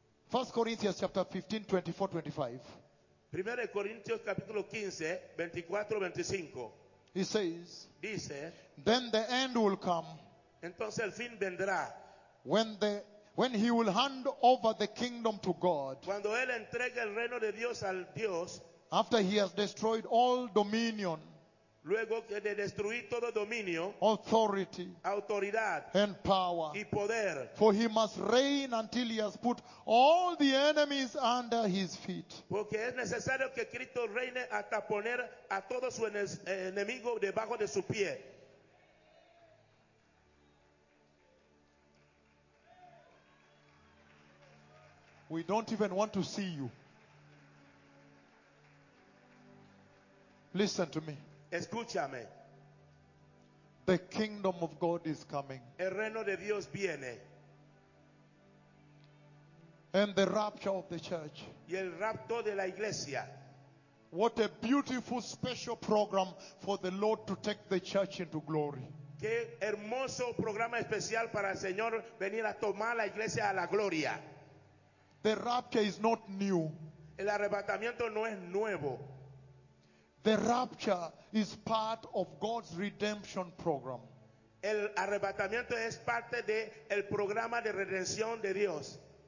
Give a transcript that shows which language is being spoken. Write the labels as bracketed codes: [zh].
[en] 1 Corinthians chapter 15, 24, 25. [es] Primera de Corintios capítulo 15, 24, 25. [en] He says, [es] dice, [en] then the end will come. [es] Entonces el fin vendrá. [en] When he will hand over the kingdom to God. [es] Cuando él entregue el reino de Dios al Dios. [en] After he has destroyed all dominion. [es] Luego de destruir todo dominio, [en] authority, [es] autoridad, [en] and power, [es] y poder. [en] For he must reign until he has put all the enemies under his feet. [es] Porque es necesario que Cristo reine hasta poner a todos sus enemigos debajo de su pie. [en] We don't even want to see you. Listen to me. [es] Escúchame. [en] The kingdom of God is coming. [es] El reino de Dios viene. [en] And the rapture of the church. [es] Y el rapto de la iglesia. [en] What a beautiful special program for the Lord to take the church into glory. [es] Qué hermoso programa especial para el Señor venir a tomar la iglesia a la gloria. [en] The rapture is not new. [es] El arrebatamiento no es nuevo. [en] The rapture is part of God's redemption program. [es] El arrebatamiento es parte de el programa de redención de Dios.